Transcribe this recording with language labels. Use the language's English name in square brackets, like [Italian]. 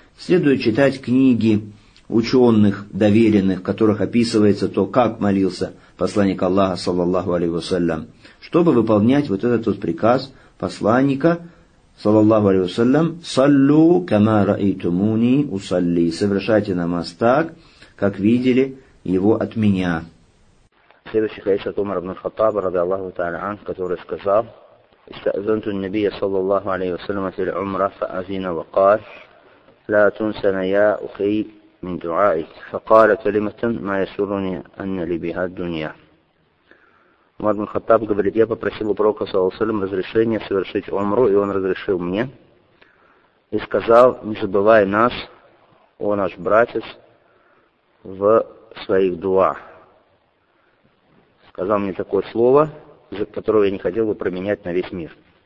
[Russian] Следует читать книги ученых, доверенных, в которых описывается то, как молился посланник Аллаха, саллаллаху алейхи вассалям, чтобы выполнять вот этот вот приказ посланника, саллаллаху алейхи вассалям: [Arabic] «Саллю кама раитумуни усалли», [Russian] «Совершайте намаз так, как видели его от меня». Следующий хадис от Умара ибн Хаттаба, ради Аллаху та'аля анх, который сказал: [Arabic] استأذنت النبي صلى الله عليه وسلم في العمرة فأذن وقال: لا تنسني يا أخي من دعائك، فقال كلمة: ما يسرني أن لي بها الدنيا. [Russian] Умар ибн Хаттаб говорит: я попросил у пророка [Arabic] صلى الله عليه وسلم [Russian] разрешения совершить умру, и он разрешил мне. И сказал: не забывай нас, о наш братец, в своих дуа. Сказал мне такое слово, из-за которого я не хотел бы променять на весь мир.